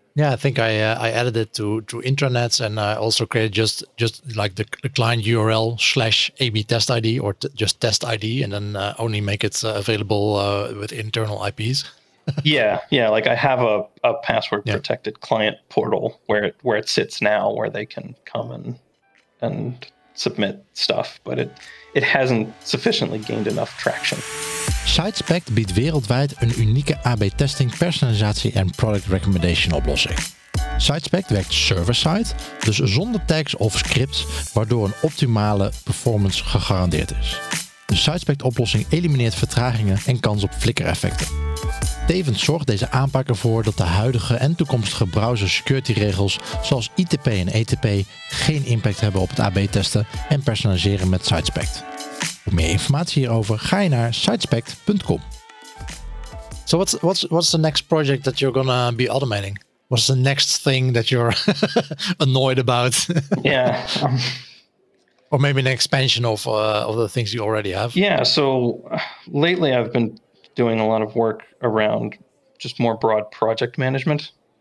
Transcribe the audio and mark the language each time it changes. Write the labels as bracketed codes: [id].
[en] Yeah, I think I added it to intranets, and I also created just like the client URL /AB test ID or just test ID, and then only make it available with internal IPs. yeah, like I have a password protected client portal where it sits now, where they can come and submit stuff, but it hasn't sufficiently gained enough traction. [nl] SiteSpect biedt wereldwijd een unieke AB-testing, personalisatie en product recommendation oplossing. SiteSpect werkt server-side, dus zonder tags of scripts, waardoor een optimale performance gegarandeerd is. De SiteSpect-oplossing elimineert vertragingen en kans op flikkereffecten. Tevens zorgt deze aanpak ervoor dat de huidige en toekomstige browser security regels zoals ITP en ETP geen impact hebben op het AB-testen en personaliseren met SiteSpect. Voor meer informatie hierover ga je naar sitespect.com. [en] So what's the next project that you're gonna be automating? What's the next thing that you're annoyed about? Yeah. Or maybe an expansion of the things you already have. Yeah. So lately I've been doing a lot of work around just more broad project management.